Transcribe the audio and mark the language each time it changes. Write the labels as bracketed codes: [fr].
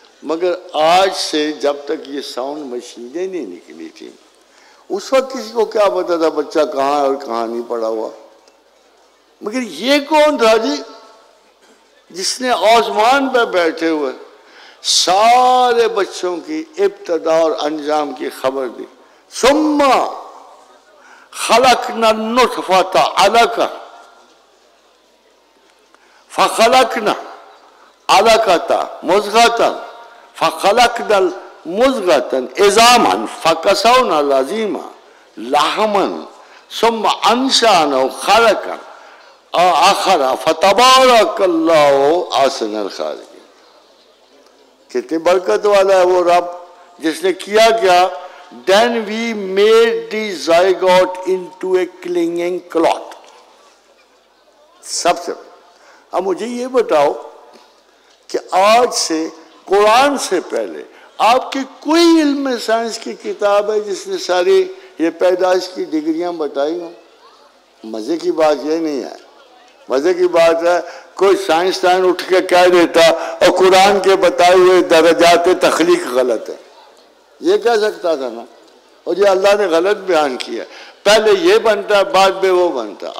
[ur] مگر آج سے جب تک یہ ساؤنڈ مشینیں نہیں نکلی تھیں, اس وقت کسی کو کیا پتا تھا بچہ کہاں اور کہاں نہیں پڑا ہوا. مگر یہ کون تھا جی جس نے آسمان پہ بیٹھے ہوئے سارے بچوں کی ابتدا اور انجام کی خبر دی. [ar] ثم خلقنا النطفة علقا فخلقنا علقا مضغة فخلقنا المضغة عظاما فكسونا العظيم لحما ثم انشانا خلقا آخر فتبارك الله احسن الخالقين. [ur] کتنی برکت والا ہے وہ رب جس نے کیا کیا. [en] Then we made the zygote into a clinging cloth. [ur] سب سے اب مجھے یہ بتاؤ کہ آج سے قرآن سے پہلے آپ کے کوئی علم سائنس کی کتاب ہے جس نے ساری یہ پیدائش کی ڈگریاں بتائی ہوں؟ مزے کی بات یہ نہیں ہے, مزے کی بات ہے کوئی سائنسدان اٹھ کے کہہ دیتا اور قرآن کے بتائے ہوئے درجات تخلیق غلط ہے, یہ کہہ سکتا تھا نا, اور یہ اللہ نے غلط بیان کیا, پہلے یہ بنتا ہے بعد میں وہ بنتا.